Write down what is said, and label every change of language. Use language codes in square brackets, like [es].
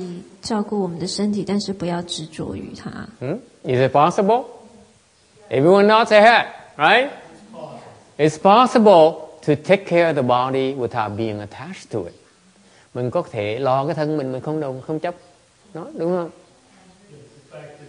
[zh] 所以他说我们可不可以照顾我们的身体，但是不要执着于它。 [en] Is it possible? Everyone nods their head, right? It's possible to take care of the body without being attached to it. [vi] Mình có thể lo cái thân mình không đồng, không chấp nó, đúng không?